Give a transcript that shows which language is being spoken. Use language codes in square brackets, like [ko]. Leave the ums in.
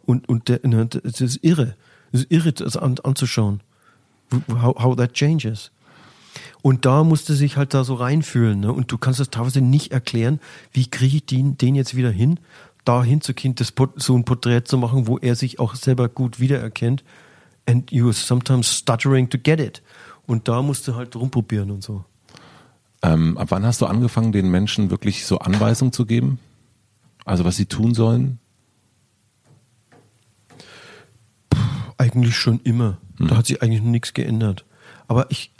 [de] Und, und der, ne, das ist irre. Das ist irre, das an, anzuschauen. [en] How, how that changes. [de] Und da musste sich halt da so reinfühlen. Ne? Und du kannst das teilweise nicht erklären, wie kriege ich den, den jetzt wieder hin, da hinzukriegen, das Port- so ein Porträt zu machen, wo er sich auch selber gut wiedererkennt. [en] And you are sometimes stuttering to get it. [de] Und da musst du halt rumprobieren und so. Ähm, ab wann hast du angefangen, den Menschen wirklich so Anweisungen zu geben? Also was sie tun sollen? Eigentlich schon immer. Da hat sich eigentlich nichts geändert. Aber ich,